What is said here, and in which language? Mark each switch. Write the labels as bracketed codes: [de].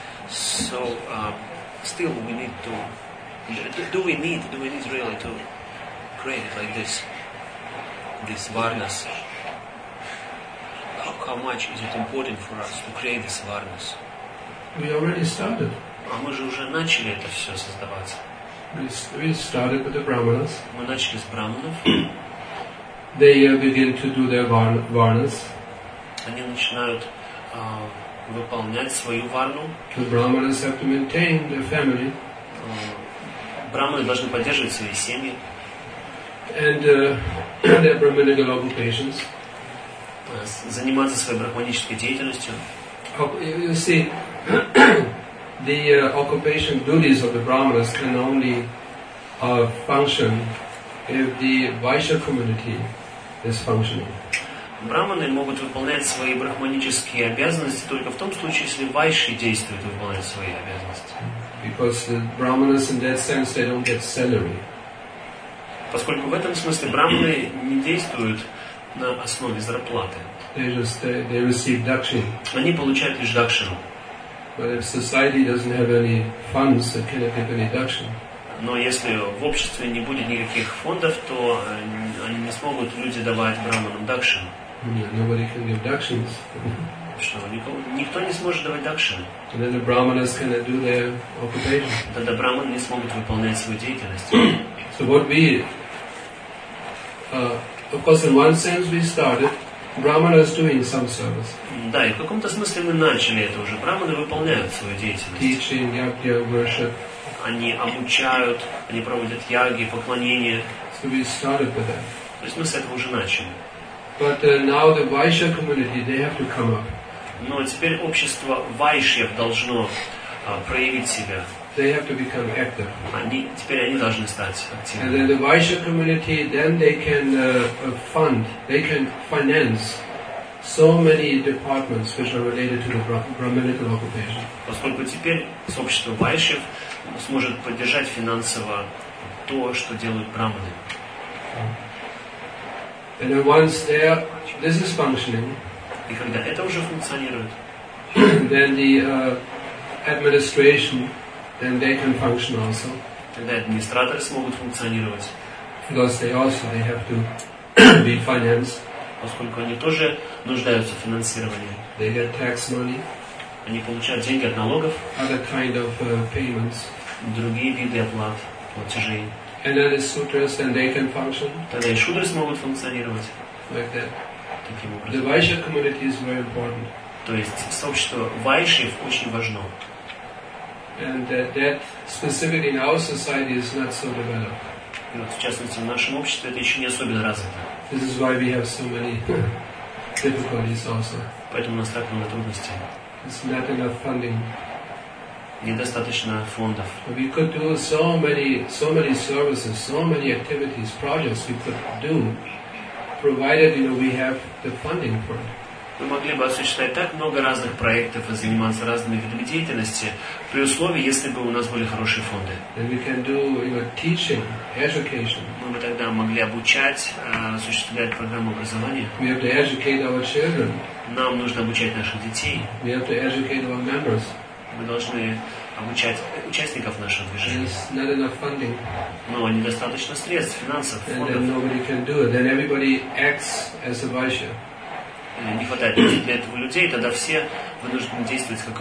[en] So still we need to. Do we need really to create it like this? This varnas. How much is it important for us to create this varnas? We already started. [ru] А мы же уже начали это все создаваться. [en] We started with the brahmanas. [ru] Мы начали с брахманов. [en] They begin to do their varnas. [ru] Они начинают выполнять свою варну. [en] The brahmanas have to maintain their family. [ru] Брахманы должны поддерживать свои семьи. [en] And their brahmanical occupations. [ru] Заниматься своей брахманической деятельностью. [en] You see. The occupation duties of the brahmanas can only function if the vaishya community is functioning. [ru] Брахманы могут выполнять свои брахманические обязанности только в том случае, если вайши действуют и выполняют свои обязанности. [en] Because the brahmanas in that sense they don't get salary. [ru] Поскольку в этом смысле брахманы не действуют на основе зарплаты. [en] They receive dakshina. [ru] Они получают лишь дакшину. [en] But if society doesn't have any funds, it cannot give any dakshina. [ru] Но если в обществе не будет никаких фондов, то они не смогут люди давать брахманам дакшину. [en] Yeah, nobody can give dakshins. [ru] Что, никто не сможет давать дакшину? [en] Then the brahmanas cannot do their occupation. [ru] Тогда брахманы не смогут выполнять свою деятельность. [en] So what we, of course, in one sense we started. Brahmana is doing some service. [ru] Да, и в каком-то смысле мы начали это уже. Брахманы выполняют свою деятельность. [en] Teaching, yagya, worship. [ru] Они обучают, они проводят яги, поклонения. [en] So we started with that. [ru] То есть мы с этого уже начали. [en] But now the Vaishya community, they have to come up. [ru] Но теперь общество Вайшьев должно проявить себя. [en] They have to become active. [ru] Теперь они должны стать активными. [en] And then the Vaishya community, then they can fund, they can finance so many departments which are related to the brahmanical occupation. [ru] Поскольку теперь сообщество Вайшьев сможет поддержать финансово то, что делают брахманы. [en] And then once there, this is functioning. [ru] И когда это уже функционирует, [en] then the administration. Then they can function also. [ru] Тогда администраторы смогут функционировать. [en] Because they also they have to be financed. [ru] Поскольку они тоже нуждаются в финансировании. [en] They get tax money. [ru] Они получают деньги от налогов. [en] Other kind of payments. [ru] Другие виды оплат, платежей. [en] And then the sutras, then they can function. [ru] Тогда и шудры смогут функционировать. [en] Like that. [ru] Таким образом. [en] The Vaishya community is very important. [ru] То есть сообщество Вайшьев очень важно. [en] and that that specifically in our society is not so developed. [ru] Вот, в частности, в нашем обществе это еще не особенно развито. [en] This is why we have so many difficulties also. [ru] Поэтому у нас так много трудностей. [en] It's not enough funding. [ru] Недостаточно фондов. [en] We could do so many services, so many activities, projects we could do, provided you know we have the funding for it. [ru] Мы могли бы осуществлять так много разных проектов и заниматься разными видами деятельности при условии, если бы у нас были хорошие фонды. [en] And we can do, you know, teaching, education. [ru] Мы бы тогда могли обучать, осуществлять программу образования. [en] We have to educate our children. [ru] Нам нужно обучать наших детей. [en] We have to educate our members. [ru] Мы должны обучать участников нашего движения. [en] There's not enough funding. [ru] Но недостаточно средств, финансов, [en] and [ru] фондов. [en] Then nobody can do it. Then everybody acts as a vaishya. [ru] Не хватает для этого людей, тогда все вынуждены действовать как